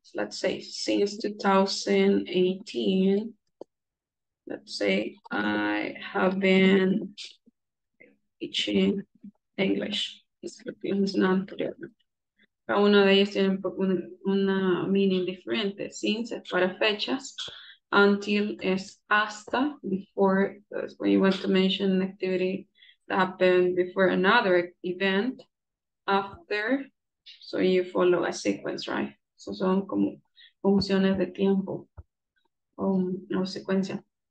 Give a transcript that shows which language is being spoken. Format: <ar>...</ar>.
<en>Since 2018, let's say I have been teaching English.</en> <es>Cada uno de ellos tiene una meaning diferente. Since es para fechas. Until es hasta,</es> <en>before, that's when you want to mention an activity that happened before another event, after, so you follow a sequence, right?</en> <es>So son como funciones de tiempo, o secuencia.</es>